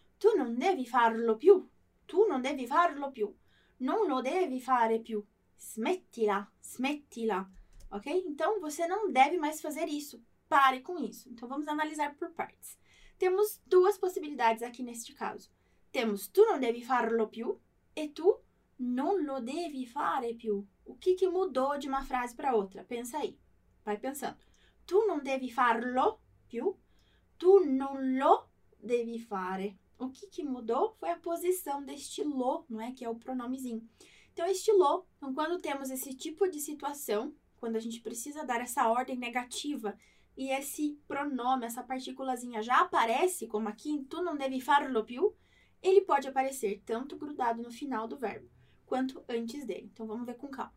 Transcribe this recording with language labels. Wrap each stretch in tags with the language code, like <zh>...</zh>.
<it>Tu non devi farlo più. Tu non devi farlo più. Non lo devi fare più. Smettila, smettila. Ok?</it> <pt>Então, você não deve mais fazer isso. Pare com isso. Então, vamos analisar por partes. Temos duas possibilidades aqui neste caso. Temos</pt> <it>tu non devi farlo più e tu non lo devi fare più.</it> <pt>O que que mudou de uma frase para outra? Pensa aí. Vai pensando.</pt> <it>Tu non devi farlo più. Tu non lo devi fare.</it> <pt>O que que mudou foi a posição deste lo, não é? Que é o pronomezinho. Então, este lo, então, quando temos esse tipo de situação, quando a gente precisa dar essa ordem negativa, e esse pronome, essa partículazinha já aparece como aqui em</pt> <it>tu non devi farlo più,</it> <pt>ele pode aparecer tanto grudado no final do verbo quanto antes dele. Então vamos ver com calma.</pt>